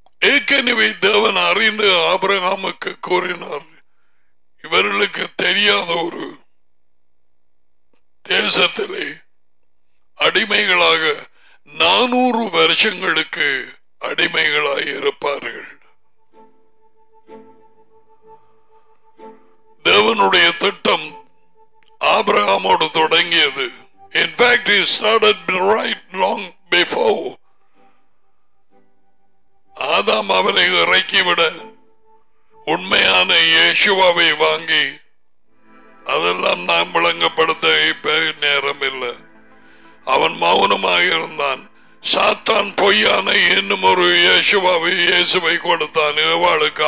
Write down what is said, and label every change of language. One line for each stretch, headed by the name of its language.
Tamil: ஏற்கனவே தேவன் அறிந்து ஆபிரகாமுக்கு கூறினார், இவர்களுக்கு தெரியாத ஒரு தேசத்திலே அடிமைகளாக 400 வருஷங்களுக்கு அடிமைகளாக இருப்பார்கள். தேவனுடைய திட்டம் ஆபிரகாமோடு தொடங்கியது.
English: In fact, he started right long before.
Tamil: ஆதாம் அவனை இறக்கிவிட உண்மையான இயேசுவாவை வாங்கி அதெல்லாம் நாம் விளங்கப்படுத்த நேரம் இல்லை. அவன் மௌனமாக இருந்தான். சாத்தான் பொய்யான இன்னும் ஒரு இயேசுவை கொடுத்தான் இவாளுக்கு.